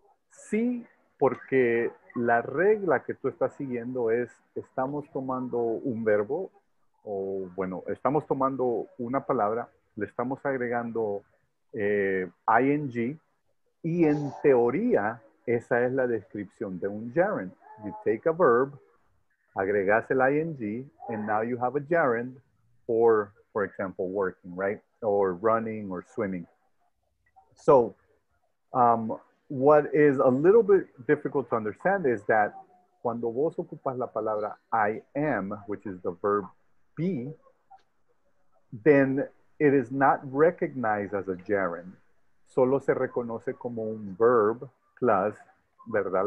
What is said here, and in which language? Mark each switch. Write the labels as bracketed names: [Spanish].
[Spanish] Sí, porque la regla que tú estás siguiendo es estamos tomando un verbo o, bueno, estamos tomando una palabra, le estamos agregando ing y en teoría esa es la descripción de un gerund. [English] You take a verb, [Spanish] agregas el [English] ing and now you have a gerund for example, working, right? Or running or swimming. So what is a little bit difficult to understand is that [Spanish] cuando vos ocupas la palabra [English] I am, which is the verb be, then it is not recognized as a gerund. [Spanish] Solo se reconoce como un [English] verb plus, [Spanish] ¿verdad?